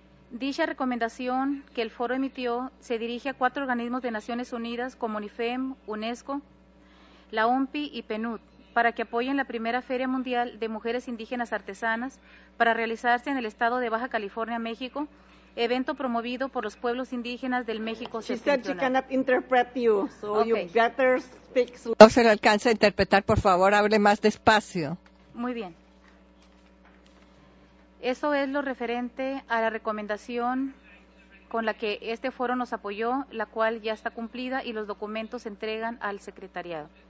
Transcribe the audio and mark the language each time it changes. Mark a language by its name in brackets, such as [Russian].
[Spanish] Dicha recomendación que el Foro emitió se dirige a cuatro organismos de Naciones Unidas como UNIFEM, UNESCO, la OMPI y PNUD, para que apoyen la primera Feria Mundial de Mujeres Indígenas Artesanas para realizarse en el estado de Baja California, México, evento promovido por los pueblos indígenas del México septentrional. [English] She said she cannot interpret you, so okay. You better speak slowly. [Spanish] No se le alcanza a interpretar, por favor, hable más despacio. Muy bien. Eso es lo referente a la recomendación con la que este foro nos apoyó, la cual ya está cumplida y los documentos se entregan al secretariado.